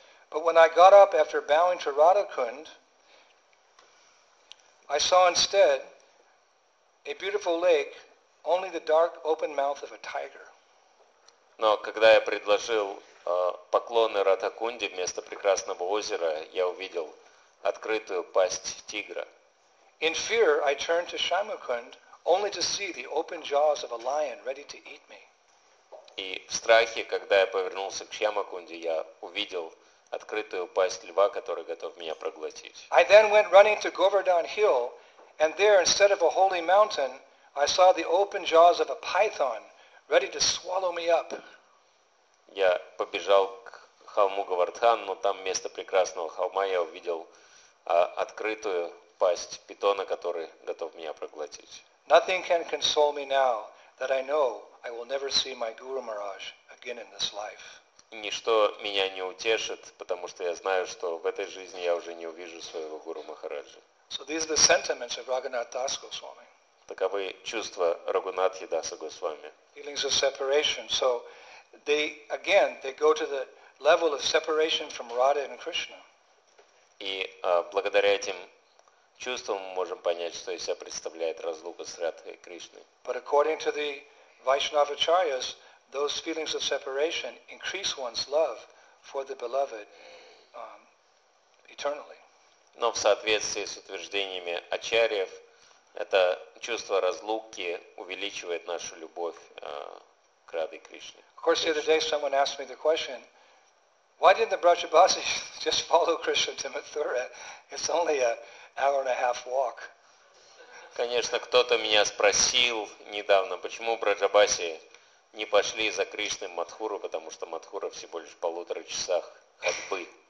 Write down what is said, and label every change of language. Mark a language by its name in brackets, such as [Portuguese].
[English] But when I got up after bowing to Radhakund, I saw instead a beautiful lake, only the dark open mouth of a tiger. [Russian] Но когда я предложил поклоны Радхакунде вместо прекрасного озера, я увидел открытую пасть тигра. [English] In fear, I turned to Shyamakund, only to see the open jaws of a lion ready to eat me. [Russian] И в страхе, когда я повернулся к Шьямакунде, я увидел открытую пасть льва, который готов меня проглотить. [English] I then went running to Govardhan Hill, and there, instead of a holy mountain, I saw the open jaws of a python ready to swallow me up. [Russian] Я побежал к холму Говардхан, но там вместо прекрасного холма я увидел открытую пасть питона, который готов меня проглотить. [English] Nothing can console me now that I know I will never see my Guru Maharaj again in this life. [Russian] Ничто меня не утешит, потому что я знаю, что в этой жизни я уже не увижу своего Гуру Махараджа. [English] So these are the sentiments of Raghunath Das Goswami. [Russian] Таковы чувства Рагунатхи Даса Госвами. [English] Feelings of separation. So they go to the level of separation from Radha and Krishna. [Russian] И благодаря этим чувством мы можем понять, что из себя представляет разлука с Радхой и Кришной. [English] But according to the Vaishnavacharyas, those feelings of separation increase one's love for the beloved eternally. [Russian] Но в соответствии с утверждениями ачарьев, это чувство разлуки увеличивает нашу любовь к Радхе и Кришне. [English] Of course, the other day someone asked me the question, why didn't the Brajabasis just follow Krishna to Mathura? It's only a hour and a half walk. [Russian] Конечно, кто-то меня спросил недавно, почему Браджабаси не пошли за Кришной в Матхуру, потому что Матхура всего лишь в полутора часах ходьбы.